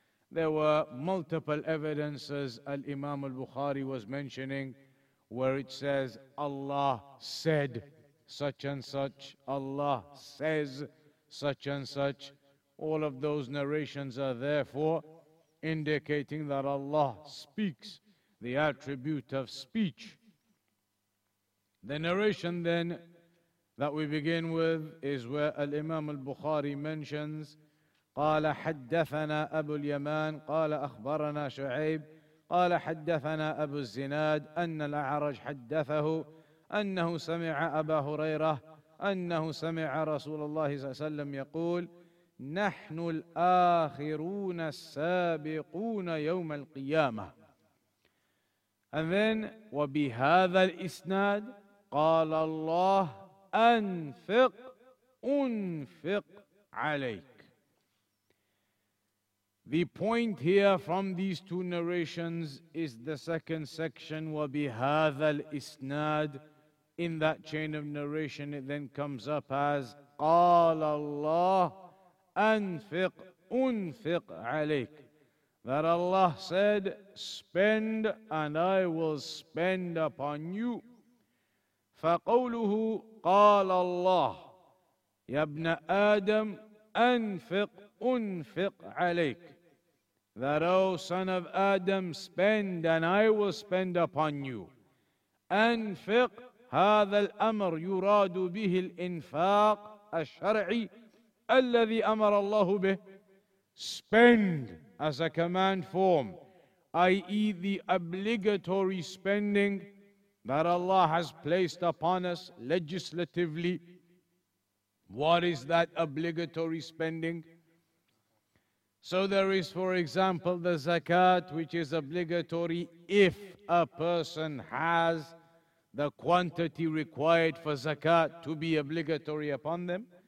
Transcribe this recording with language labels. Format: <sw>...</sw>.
<en>There were multiple evidences Al-Imam Al-Bukhari was mentioning, where it says, Allah said such and such, Allah says such and such. All of those narrations are therefore indicating that Allah speaks, the attribute of speech. The narration then that we begin with is where Al-Imam Al-Bukhari mentions,</en> <ar>قَالَ حَدَّثَنَا أَبُو الْيَمَانِ قَالَ أَخْبَرَنَا شُعَيْبُ قال حدثنا أبو الزناد أن الأعرج حدثه أنه سمع أبا هريرة أنه سمع رسول الله صلى الله عليه وسلم يقول نحن الآخرون السابقون يوم القيامة.</ar> <en>And then</en> <ar>وبهذا الإسناد قال الله أنفق أنفق عليك.</ar> <en>The point here from these two narrations is the second section,</en> <ar>وَبِهَذَا الْإِسْنَادِ.</ar> <en>In that chain of narration, it then comes up as</en> <ar>قَالَ اللَّهُ أَنْفِقْ أُنْفِقْ عَلَيْكَ,</ar> <en>that Allah said, spend and I will spend upon you.</en> <ar>فَقَوْلُهُ قَالَ اللَّهُ يَا ابْنَ آدَمْ أَنْفِقْ أُنْفِقْ عَلَيْكَ,</ar> <en>that, O son of Adam, spend and I will spend upon you.</en> <ar>أنفق هذا الأمر يراد به الإنفاق الشرعي الذي أمر الله به.</ar> <en>Spend as a command form, i.e. the obligatory spending that Allah has placed upon us legislatively. What is that obligatory spending? So there is, for example, the zakat, which is obligatory if a person has the quantity required for zakat to be obligatory upon them.</en>